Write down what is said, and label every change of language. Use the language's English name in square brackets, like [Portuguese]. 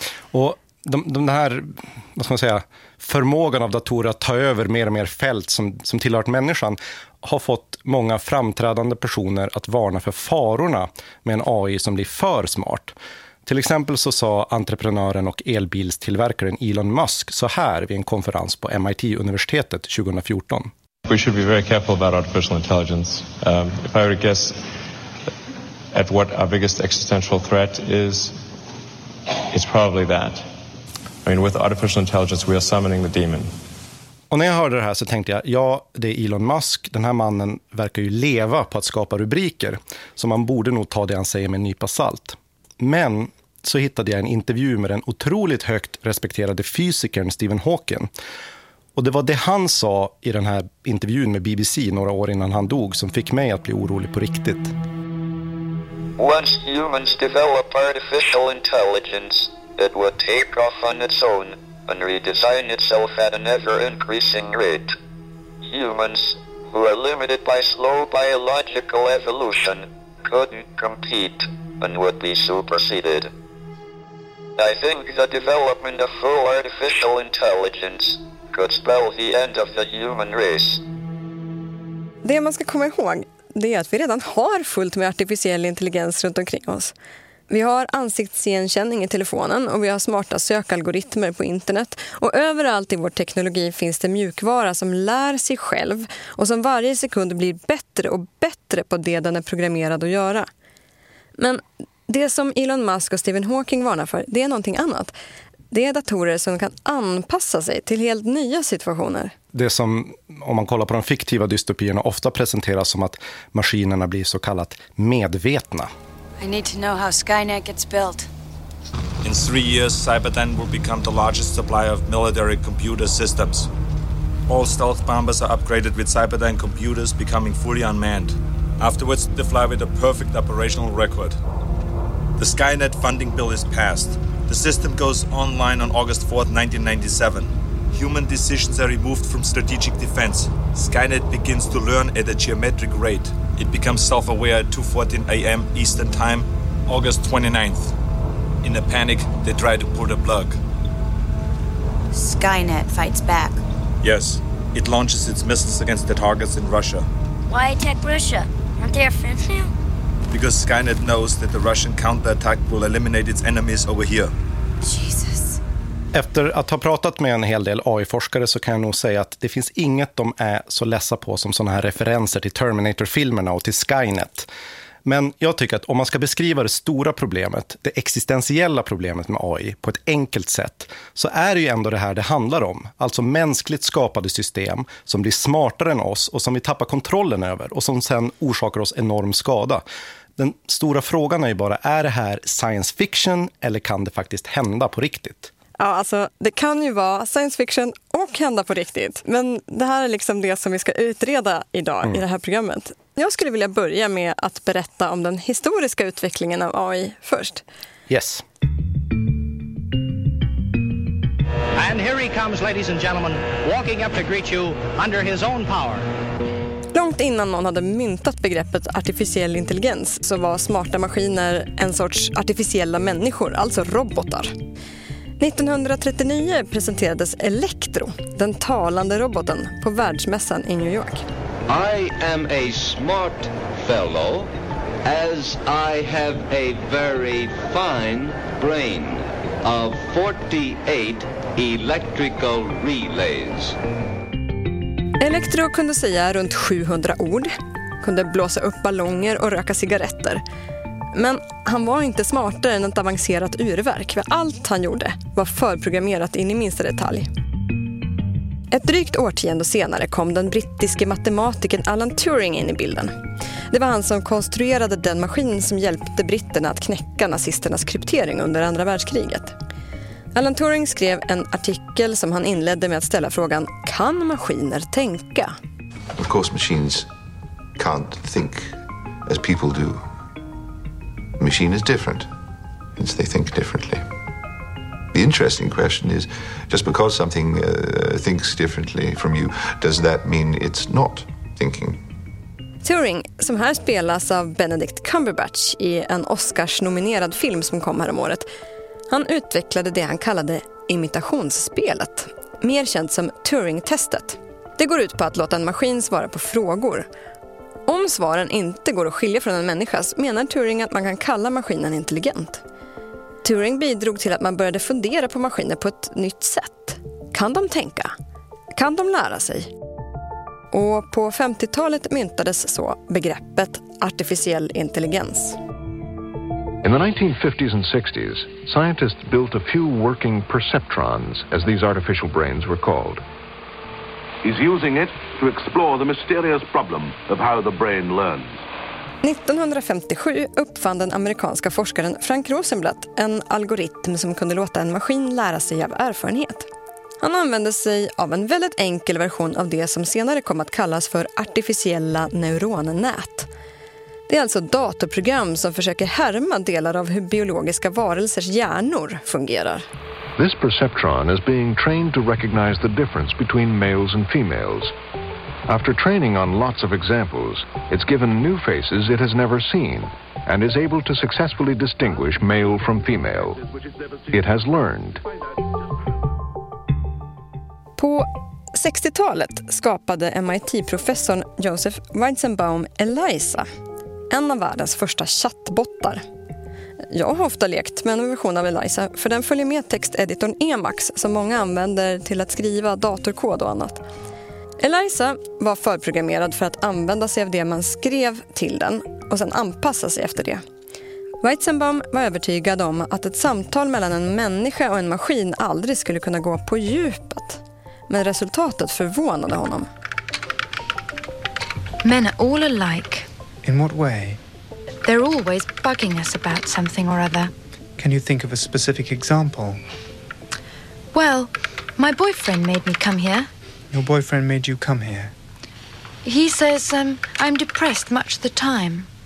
[Swedish] Och den här, vad ska man säga, förmågan av datorer att ta över mer och mer fält som tillhört människan har fått många framträdande personer att varna för farorna med en AI som blir för smart. Till exempel så sa entreprenören och elbilstillverkaren Elon Musk så här vid en konferens på MIT-universitetet 2014. [English] We should be very careful about artificial intelligence. If I were to guess at what our biggest existential threat is, it's probably that. I mean, with artificial intelligence we are summoning the demon. [Swedish] Och när jag hörde det här så tänkte jag, ja, det är Elon Musk. Den här mannen verkar ju leva på att skapa rubriker, så man borde nog ta det han säger med en nypa salt. Men så hittade jag en intervju med den otroligt högt respekterade fysikern Stephen Hawking. Och det var det han sa i den här intervjun med BBC några år innan han dog som fick mig att bli orolig på riktigt. [English] Once humans develop artificial intelligence, it will take off on its own and redesign itself at an ever-increasing rate. Humans, who are limited by slow biological evolution, couldn't compete and would be superseded. I think the development of full artificial intelligence could spell the end of the human race. [Swedish] Det man ska komma ihåg, det är att vi redan har fullt med artificiell intelligens runt omkring oss. Vi har ansiktsigenkänning i telefonen och vi har smarta sökalgoritmer på internet. Och överallt i vår teknologi finns det mjukvara som lär sig själv och som varje sekund blir bättre och bättre på det den är programmerad att göra. Men det som Elon Musk och Stephen Hawking varnar för, det är någonting annat. Det är datorer som kan anpassa sig till helt nya situationer. Det som, om man kollar på de fiktiva dystopierna, ofta presenteras som att maskinerna blir så kallat medvetna. [English] I need to know how Skynet gets built. In 3 years, Cybertron will become the largest supplier of military computer systems. All stealth bombers are upgraded with Cybertron computers becoming fully unmanned. Afterwards, they fly with a perfect operational record. The Skynet funding bill is passed. The system goes online on August 4th, 1997. Human decisions are removed from strategic defense. Skynet begins to learn at a geometric rate. It becomes self-aware at 2:14 a.m. Eastern Time, August 29th. In a panic, they try to pull the plug. Skynet fights back. Yes, it launches its missiles against the targets in Russia. Why attack Russia? Aren't they our friends now? Because Skynet knows that the Russian counterattack will eliminate its enemies over here. Jesus. [Swedish] Efter att ha pratat med en hel del AI-forskare så kan jag nog säga att det finns inget de är så ledsa på som såna här referenser till Terminator-filmerna och till Skynet. Men jag tycker att om man ska beskriva det stora problemet, det existentiella problemet med AI, på ett enkelt sätt, så är det ju ändå det här det handlar om. Alltså mänskligt skapade system som blir smartare än oss och som vi tappar kontrollen över och som sen orsakar oss enorm skada. Den stora frågan är ju bara, är det här science fiction eller kan det faktiskt hända på riktigt? Ja, alltså det kan ju vara science fiction och hända på riktigt. Men det här är liksom det som vi ska utreda idag i det här programmet. Jag skulle vilja börja med att berätta om den historiska utvecklingen av AI först. [English] Yes. And here he comes, ladies and gentlemen, walking up to greet you under his own power. [Swedish] Långt innan någon hade myntat begreppet artificiell intelligens så var smarta maskiner en sorts artificiella människor, alltså robotar. 1939 presenterades Electro, den talande roboten, på världsmässan i New York. [English] I am a smart fellow, as I have a very fine brain of 48 electrical relays. [Swedish] Electro kunde säga runt 700 ord, kunde blåsa upp ballonger och röka cigaretter. Men han var inte smartare än ett avancerat urverk, för allt han gjorde var förprogrammerat in i minsta detalj. Ett drygt årtionde senare kom den brittiske matematikern Alan Turing in i bilden. Det var han som konstruerade den maskin som hjälpte britterna att knäcka nazisternas kryptering under andra världskriget. Alan Turing skrev en artikel som han inledde med att ställa frågan: kan maskiner tänka? [English] Of course machines can't think as people do. Machine is different, since they think differently. The interesting question is, just because something thinks differently from you, does that mean it's not thinking? [Swedish] Turing, som här spelas av Benedict Cumberbatch i en Oscars-nominerad film som kom här om året, han utvecklade det han kallade imitationsspelet, mer känt som Turing-testet. Det går ut på att låta en maskin svara på frågor. Om svaren inte går att skilja från en människas menar Turing att man kan kalla maskinen intelligent. Turing bidrog till att man började fundera på maskiner på ett nytt sätt. Kan de tänka? Kan de lära sig? Och på 50-talet myntades så begreppet artificiell intelligens. [English] In the 1950s and 60s, scientists built a few working perceptrons, as these artificial brains were called. He's using it to explore the mysterious problem of how the brain learns. [Swedish] 1957 uppfann den amerikanska forskaren Frank Rosenblatt en algoritm som kunde låta en maskin lära sig av erfarenhet. Han använde sig av en väldigt enkel version av det som senare kom att kallas för artificiella neuronnät. Det är alltså datorprogram som försöker härma delar av hur biologiska varelsers hjärnor fungerar. [English] This perceptron is being trained to recognize the difference between males and females. After training on lots of examples, it's given new faces it has never seen and is able to successfully distinguish male from female. It has learned. [Swedish] På 60-talet skapade MIT-professorn Joseph Weizenbaum Eliza, en av världens första chattbottar. jag har ofta lekt med en version av Eliza, för den följer med texteditorn Emacs som många använder till att skriva datorkod och annat. Eliza var förprogrammerad för att använda sig av det man skrev till den och sen anpassa sig efter det. Weizenbaum var övertygad om att ett samtal mellan en människa och en maskin aldrig skulle kunna gå på djupet. Men resultatet förvånade honom. [English] Men are all alike. In what way? They're always bugging us about something or other. Can you think of a specific example? Well, my boyfriend made me come here. Your boyfriend made you come here? He says I'm depressed much of the time.